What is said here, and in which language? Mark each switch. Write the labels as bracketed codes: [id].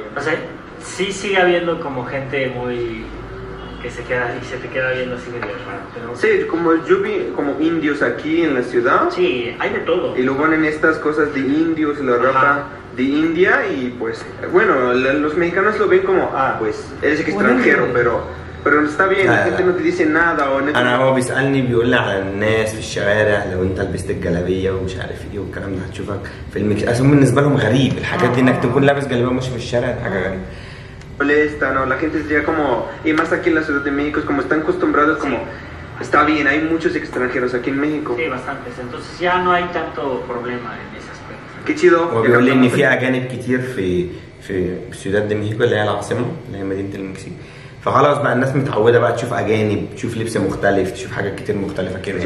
[es] O sea, sí sigue habiendo como gente muy... que se queda y se te queda viendo así medio raro, pero... Sí, como yo vi como indios aquí en la ciudad. Sí, hay de todo. Y lo ponen estas cosas de indios, la ropa... de India y pues bueno, los mexicanos lo ven como ah, pues eres que extranjero, pero está bien, la gente no te dice nada o neta. [ar] Ana Bobis Alni بيقول على الناس في الشوارع لو انت لبست الجلابيه ومش عارف ايه والكلام ده هتشوفك في المكسيك بالنسبه لهم غريب الحاجات دي انك تكون لابس جلابيه ومش في الشارع حاجه غريبه. [es] Molesta, no, la gente llega como y más aquí en la Ciudad de México es como están acostumbrados como está bien, hay muchos extranjeros aquí en México. Sí, bastantes, entonces ya no hay tanto problema en eso. Qué chido. [ar] وبيقول لي ان في اجانب كتير في سيوداد دي ميكو اللي هي العاصمه اللي هي مدينه المكسيك فخلاص بقى الناس متعوده بقى تشوف اجانب تشوف لبس مختلف تشوف حاجات كتير مختلفه كده